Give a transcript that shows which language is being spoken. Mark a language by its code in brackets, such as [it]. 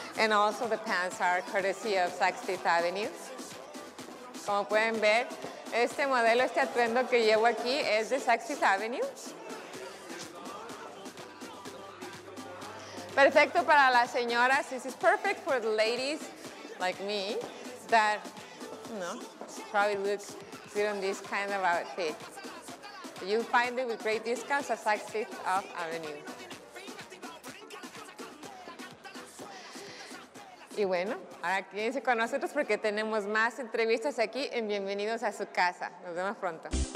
[en] And also the pants are courtesy of Saks Fifth Avenue. [es] Como pueden ver, este modelo, este atuendo que llevo aquí es de Saks Fifth Avenue. Perfecto para las señoras. [en] This is perfect for the ladies like me that, probably look good on this kind of outfit. You'll find it with great discounts at Saks Fifth Avenue. [es] Y bueno, ahora quédense con nosotros porque tenemos más entrevistas aquí en Bienvenidos a su casa. Nos vemos pronto.